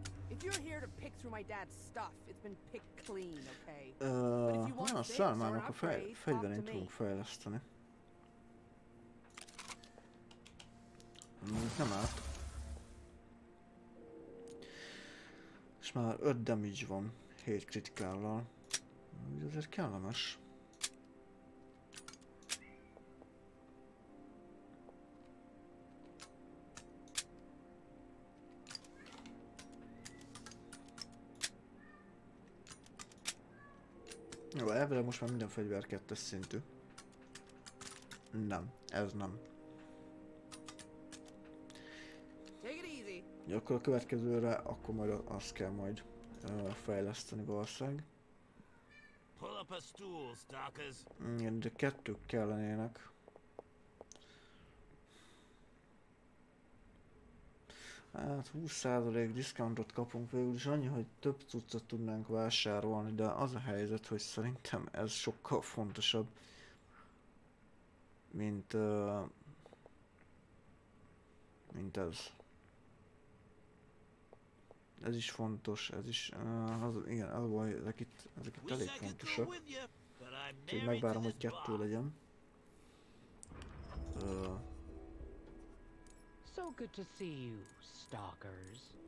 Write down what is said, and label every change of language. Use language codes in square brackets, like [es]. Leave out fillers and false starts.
[en] If you're here to pick through my dad's stuff, it's been picked clean, okay? [hu] Na, a szálmának a fegyverén tudunk fejleszteni. Nem állt. És már 5 damage van, 7 kritikállal. Úgy azért kellemes. Jó, elvileg most már minden fegyver 2-es szintű. Nem, ez nem. Ja, akkor a következőre, akkor majd azt kell majd fejleszteni valószínűleg. [en] Pull up a stool, stalkers. [hu] Igen, de kettők kellenének. Hát 20% discountot kapunk végül is, annyi, hogy több cuccot tudnánk vásárolni, de az a helyzet, hogy szerintem ez sokkal fontosabb, mint ez. Ez is fontos, ez is, az, igen, az baj, ezek itt elég fontosak. Úgyhogy megvárom, hogy kettő legyen. [en] So good to see you, stalkers.